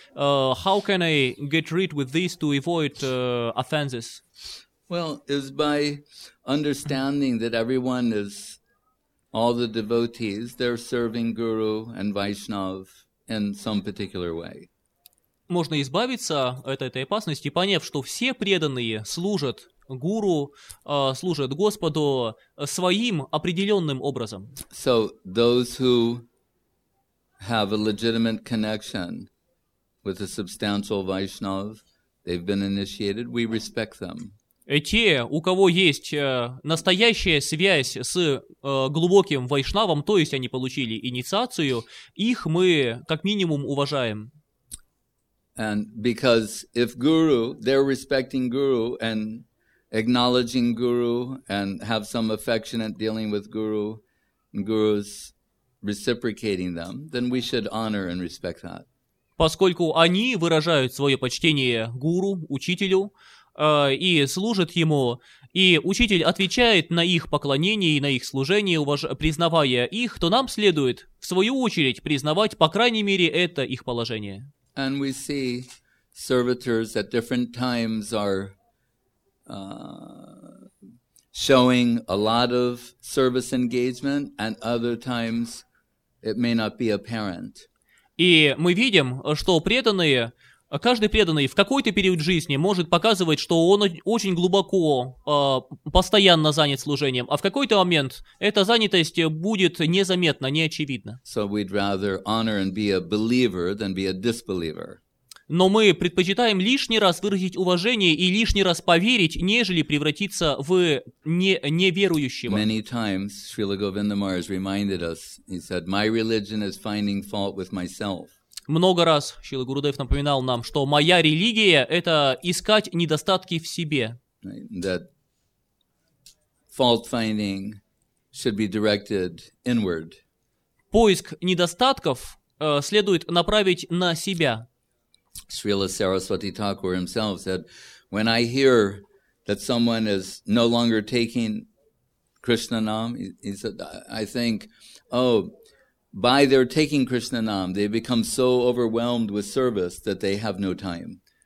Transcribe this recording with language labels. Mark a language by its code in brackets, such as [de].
[en] How can I get rid with this to avoid offenses? Well, is by understanding that everyone is, all the devotees, they're serving Guru and Vaishnav in some particular way. [ru] Можно избавиться от этой опасности, поняв, что все преданные служат Гуру, служат Господу своим определенным образом. [en] So those who have a legitimate connection with a substantial Vaishnav, they've been initiated, we respect them. [ru] Те, у кого есть настоящая связь с глубоким вайшнавом, то есть они получили инициацию, их мы как минимум уважаем. [en] And because if guru, they're respecting guru and acknowledging guru and have some affectionate dealing with guru, and guru's reciprocating them, then we should honor and respect that. [ru] Поскольку они выражают свое почтение гуру, учителю, и служат ему, и учитель отвечает на их поклонение и на их служение, признавая их, то нам следует, в свою очередь, признавать, по крайней мере, это их положение. [en] And we see servitors at different times are showing a lot of service engagement, and other times it may not be apparent. [ru] И мы видим, что преданные, каждый преданный в какой-то период жизни может показывать, что он очень глубоко, постоянно занят служением, а в какой-то момент эта занятость будет незаметна, неочевидна. [en] So we'd rather honor and be a believer than be a disbeliever. [ru] Но мы предпочитаем лишний раз выразить уважение и лишний раз поверить, нежели превратиться в неверующего. [en] Many times Srila Govinda Maharaj reminded us, he said, my religion is finding fault with myself. [ru] Много раз Шрила Гурудев напоминал нам, что моя религия — это искать недостатки в себе. [en] That fault-finding should be directed inward. [ru] Поиск недостатков следует направить на себя. [en] Srila Saraswati Thakur himself said, when I hear that someone is no longer taking Krishna Nam, he said, I think, oh, by their taking Krishna Nam, they become so overwhelmed with service that they have no time.